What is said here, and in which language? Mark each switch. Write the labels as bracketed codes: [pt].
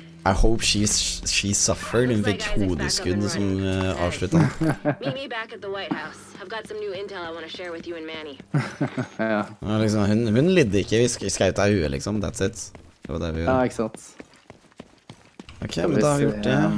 [en] I hope she suffered [no] en fikk hodeskudd som avslutte. [en] Meet me back at the White House. I've got some new intel I want to share with you and Manny. [no] Ja. Ja, liksom, hun lidde ikke. Vi skaut av huet, liksom. [en] That's it. [no] Det var det vi gjorde. Ja, ikke sant. Ok, men da har vi gjort det.